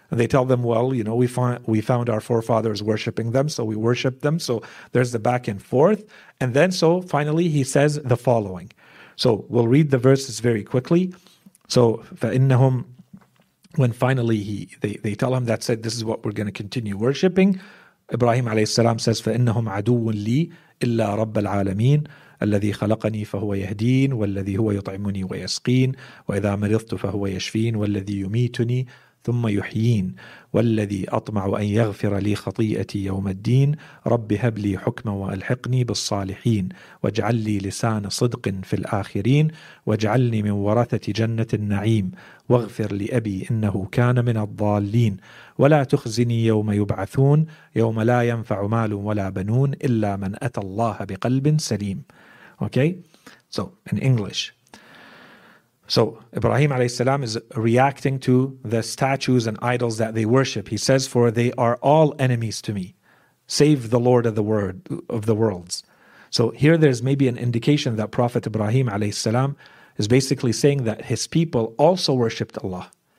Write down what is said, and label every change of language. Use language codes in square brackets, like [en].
[en] And they tell them, well, you know, we found our forefathers worshipping them, so we worship them. So there's the back and forth. And then so finally he says the following. So we'll read the verses very quickly. So [ar] فَإِنَّهُمْ [en] when finally they tell him, that's it, this is what we're going to continue worshipping. Ibrahim alayhi salam says, [ar] فَإِنَّهُمْ عَدُوٌ لِي إِلَّا رَبَّ الْعَالَمِينَ الذي خلقني فهو يهدين والذي هو يطعمني ويسقين وإذا مرضت فهو يشفين والذي يميتني ثم يحيين والذي أطمع أن يغفر لي خطيئتي يوم الدين رب هب لي حكما وألحقني بالصالحين واجعل لي لسان صدق في الآخرين واجعلني من ورثة جنة النعيم واغفر لأبي إنه كان من الضالين ولا تخزني يوم يبعثون يوم لا ينفع مال ولا بنون إلا من أتى الله بقلب سليم. [en] Okay, so in English. So Ibrahim alayhi salam is reacting to the statues and idols that they worship. He says, for they are all enemies to me, save the Lord of the word of the worlds. So here there's maybe an indication that Prophet Ibrahim alayhi salam is basically saying that his people also worshipped Allah.